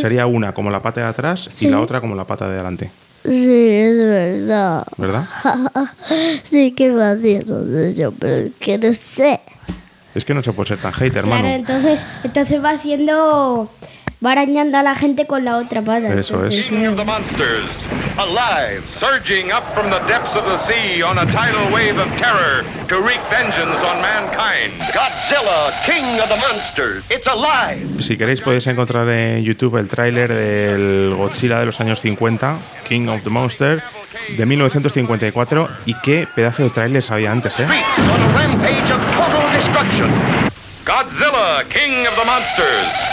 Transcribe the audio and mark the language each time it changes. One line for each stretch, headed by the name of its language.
Spanish: sería una como la pata de atrás, sí, y la otra como la pata de adelante. Sí, es verdad. ¿Verdad? Sí, qué gracioso yo, pero que no sé. Es que no se puede ser tan hater, hermano. Claro, entonces va haciendo... Va arañando a la gente con la otra pata. Eso es.
English: King of the monsters, alive, surging up from the depths of the sea on a tidal wave of terror to wreak vengeance on mankind. Godzilla, King of the monsters, it's alive.
Spanish: Si queréis podéis encontrar en YouTube el tráiler del Godzilla de los años 50, King of the Monsters, de 1954, y qué pedazo de tráiler había antes, ¿eh?
English: On a rampage of total destruction. Godzilla, King of the Monsters.